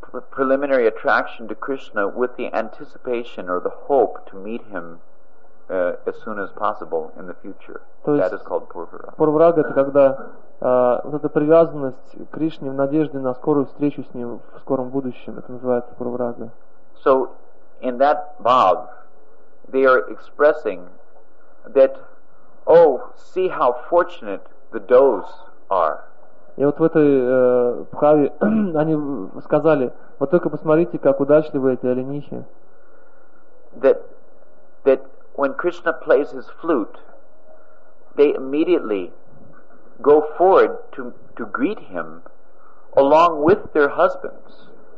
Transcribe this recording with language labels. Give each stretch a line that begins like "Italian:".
English: Preliminary attraction to Krishna with the anticipation or the hope to meet him as soon as possible in the future. That is called purvarag.
Russian: Purvarag это когда вот эта привязанность к Кришне в надежде на скорую встречу с ним в скором будущем. Это называется purvarag.
English: So in that bhav, they are expressing that, oh, see how fortunate the does are.
Russian: И вот в этой бхаве они сказали, вот только посмотрите, как удачливы эти оленихи.
English: That when Krishna plays his flute, they immediately go forward to greet him along with their husbands.